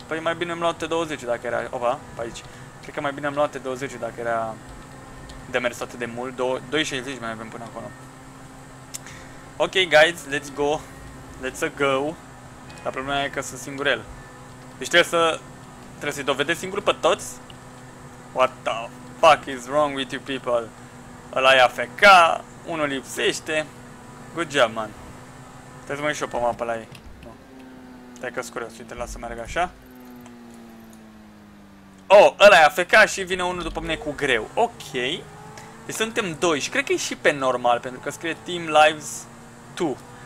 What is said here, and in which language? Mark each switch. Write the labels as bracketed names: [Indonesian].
[Romanian] Păi mai bine am luat 20 dacă era... Opa, pe aici. Cred că mai bine am luat 20 dacă era de mers atât de mult. [English] 260 [Romanian] mai avem până acolo. [English] Ok, guys, let's go. Let's go. [Romanian] Dar problema e că sunt singurel. Deci trebuie să... Trebuie să-i dovedesc singur pe toți? [English] What the fuck is wrong with you people? [Romanian] Ăla e AFK, unul lipsește. [English] Good job, man. [Romanian] Trebuie să mă ieși eu pe mapă la ei. Nu. Stai că-s curios, uite, lasă-mi merg așa. Oh, ăla e AFK și vine unul după mine cu greu. Ok. Deci suntem doi și cred că e și pe normal, pentru că scrie Team Lives 2.